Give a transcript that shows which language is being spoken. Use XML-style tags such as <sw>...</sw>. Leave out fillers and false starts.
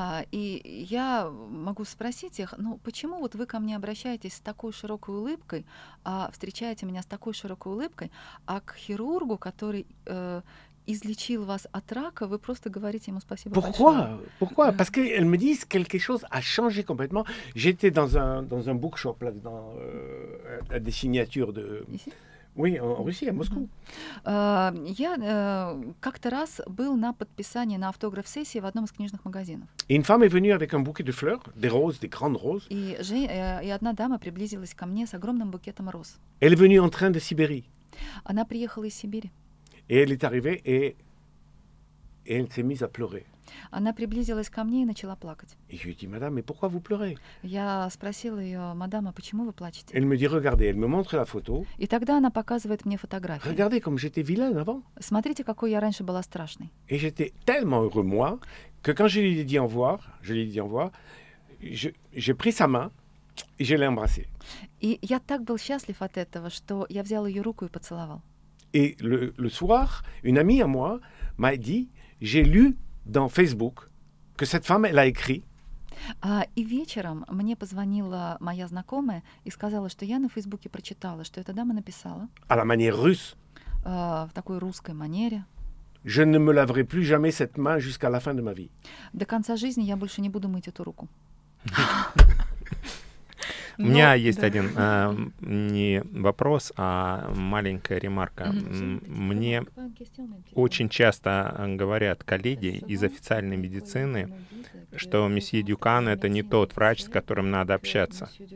<ru>И я могу спросить их: "Ну, почему вот вы ко мне обращаетесь с такой широкой улыбкой, а встречаете меня с такой широкой улыбкой, а к хирургу, который излечил вас от рака, вы просто говорите ему спасибо</ru> <fr>Pourquoi?</fr> <ru>Большое?"</ru> <fr>Pourquoi? Parce que elles me disent quelque chose a changé complètement. J'étais dans un bookshop là dans des signatures de Oui, en Russie, à Moscou.</fr> <ru>Я как-то раз был на подписании, на автограф-сессии в одном из книжных магазинов.</ru> <fr>Une femme est venue avec un bouquet de fleurs, des roses, des grandes roses.</fr> <ru>И одна дама приблизилась ко мне с огромным букетом роз.</ru> <fr>Elle est venue en train de Sibérie.</fr> <ru>Она приехала из Сибири.</ru> <fr>Et elle est arrivée et elle s'est mise à pleurer.</fr> <ru>Она приблизилась ко мне и начала плакать.</ru> <fr>Et je lui dis, madame, mais pourquoi vous pleurez?</fr> <ru>Я спросила ее, мадам, а почему вы плачете?</ru> <fr>Elle me dit, regardez, elle me montre la photo.</fr> <ru>И тогда она показывает мне фотографию.</ru> <fr>Regardez comme j'étais vilaine avant.</fr> <ru>Смотрите, какой я раньше была страшной.</ru> <fr>Et j'étais tellement heureux moi que quand je lui ai dit au revoir, j'ai pris sa main et je l'ai embrassée.</fr> <ru>И я так был счастлив от этого, что я взял ее руку и поцеловал.</ru> <fr>Et le soir, une amie à moi m'a dit, j'ai lu dans Facebook que cette femme elle a écrit.</fr> <ru>И вечером мне позвонила моя знакомая и сказала, что я на Фейсбуке прочитала, что эта дама написала.</ru> <fr>À la manière russe.</fr> <ru>В такой русской манере.</ru> <fr>Je ne me laverai plus jamais cette main jusqu'à la fin de ma vie.</fr> <ru>До конца жизни я больше не буду мыть эту руку. У меня есть один не вопрос, а маленькая ремарка. Мне очень часто говорят коллеги из официальной медицины, что месье Дюкан — это не тот врач, с которым надо общаться.</ru>